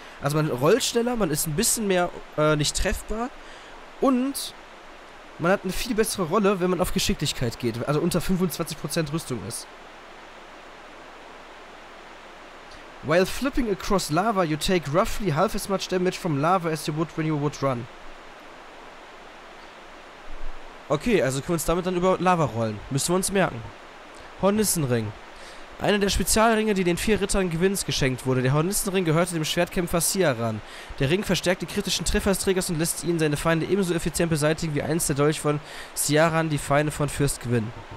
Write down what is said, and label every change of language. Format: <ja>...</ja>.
<de>Also man rollt schneller, man ist ein bisschen mehr nicht treffbar und man hat eine viel bessere Rolle, wenn man auf Geschicklichkeit geht, also unter 25% Rüstung ist.</de> <en>While flipping across lava, you take roughly half as much damage from lava as you would when you would run.</en> <de>Okay, also können wir uns damit dann über Lava rollen. Müssen wir uns merken. Hornissenring. Einer der Spezialringe, die den vier Rittern Gewinns geschenkt wurde. Der Hornissenring gehörte dem Schwertkämpfer Siaran. Der Ring verstärkt die kritischen Treffer des Trägers und lässt ihn seine Feinde ebenso effizient beseitigen wie einst der Dolch von Siaran die Feinde von Fürst Gwyn.</de>